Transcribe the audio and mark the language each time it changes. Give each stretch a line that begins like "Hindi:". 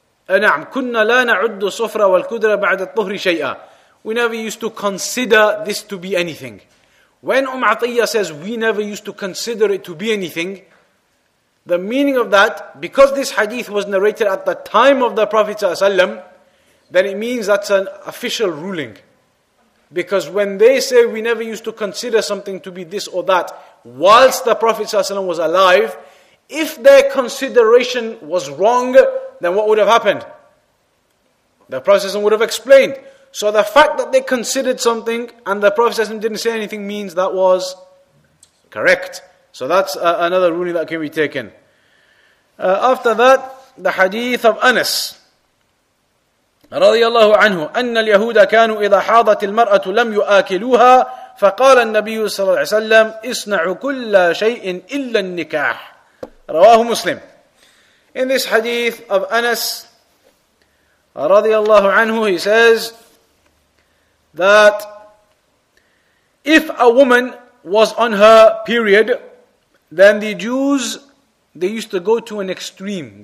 Arabic: نعم كنا لا نعد صفرة والكدرة بعد الطهر شيئا.
English: We never used to consider this to be anything. When Atiyya says we never used to consider it to be anything, the meaning of that, because this hadith was narrated at the time of the Prophet ﷺ, then it means that's an official ruling. Because when they say we never used to consider something to be this or that whilst the Prophet ﷺ was alive, if their consideration was wrong, then what would have happened? The Prophet would have explained. So the fact that they considered something and the Prophet didn't say anything means that was correct. So that's another ruling that can be taken. After that, the hadith of Anas.
Arabic: رضي الله عنه أن اليهود كانوا إذا حاضت المرأة لم يآكلوها فقال النبي صلى الله عليه وسلم اصنعوا كل شيء إلا النكاح. رواه مسلم.
English: In this hadith of Anas radiallahu anhu, he says that if a woman was on her period, then the Jews, they used to go to an extreme.